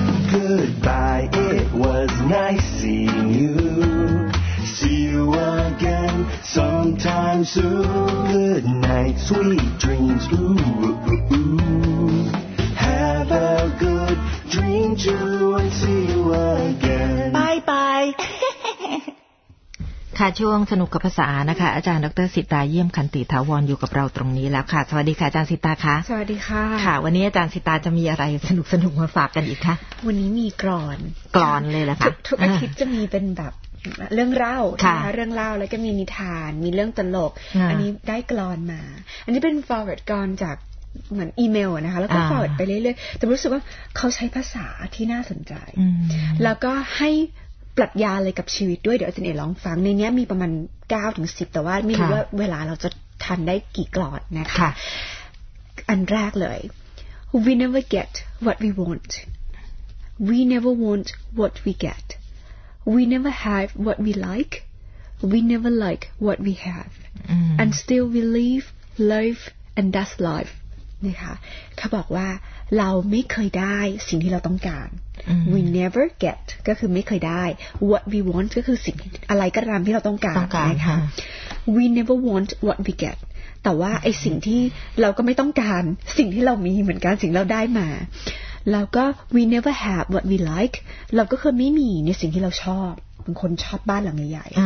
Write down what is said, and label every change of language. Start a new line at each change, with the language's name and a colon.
English: Goodbye, it was nice seeing you. See you again sometime soon. Good night, sweet dreams. Ooh, ooh, ooh, ooh. Have a good dream too, and see you again. Bye bye.
Thai: ค่ะช่วงสนุกกับภาษานะคะอาจารย์ดร.สิตาเยี่ยมขันติถาวรอยู่กับเราตรงนี้แล้วค่ะสวัสดีค่ะอาจารย์สิตาคะ สวัสดีค่ะ ค่ะวันนี้อาจารย์สิตาจะมีอะไรสนุกสนุกมาฝากกันอีกคะ วันนี้มีกลอน กลอนเลยเหรอคะ ทุกอาทิตย์จะมีเป็นแบบเรื่องเล่า ใช่ไ หมเรื่องเล่าแล้วก็มีนิทานมีเรื่องตลก อัน นี้ได้กลอนมาอันนี้เป็น forward กลอนจากเหมือนอีเมลนะคะแล้วก็ forward ไปเรื่อยๆแต่รู้สึกว่าเขาใช้ภาษาที่น่าสนใจแล้วก็ให้ปรัชญาอะไรกับชีวิตด้วยเดี๋ยวอาจารย์เอ๋ลองฟังในนี้มีประมาณ 9-10 แต่ว่าไม่รู้ว่าเวลาเราจะทันได้กี่กลอนนะคะอันแรกเลย
English: We never get what we want. We never want what we get. We never have what we like. We never like what we have. And still we live life and that's life.
Thai: นะคะเขาบอกว่าเราไม่เคยได้สิ่งที่เราต้องการ
English: We never get
Thai: ก็คือไม่เคยได้
English: What we want
Thai: ก็คือสิ่งอะไรก็ตามที่เราต้องการ ต้องการค่ะ
English: We never want what we get
Thai: แต่ว่าไอ้สิ่งที่เราก็ไม่ต้องการสิ่งที่เรามีเหมือนกันสิ่งเราได้มาแล้วก็
English: We never have what we like
Thai: เราก็คือไม่มีในสิ่งที่เราชอบเป็นคนชอบบ้านหลังใหญ่ๆไม